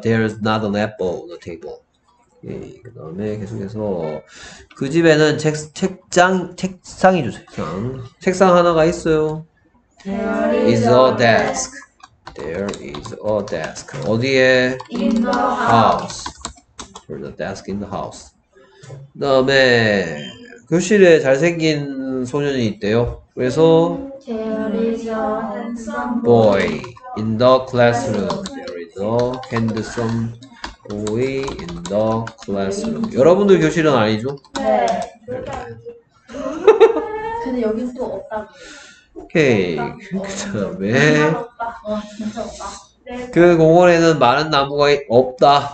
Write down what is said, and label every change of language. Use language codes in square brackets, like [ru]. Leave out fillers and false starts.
[en] There is not an apple on the table. [ko] 예, 그 다음에 계속해서 그 집에는 책상이죠. 책상 하나가 있어요. [en] There is a desk. There is a desk. [ko] 어디에? [en] In the house. There is a desk in the house. [ko] 그 다음에 교실에 잘생긴 소년이 있대요. 그래서 [en] There is a handsome boy in the classroom. There is a handsome boy in the classroom. [ko] 여러분들 교실은 아니죠? 네. 근데 여긴 또 없다고. 오케이. 그 다음에 그 공원에는 많은 나무가 없다.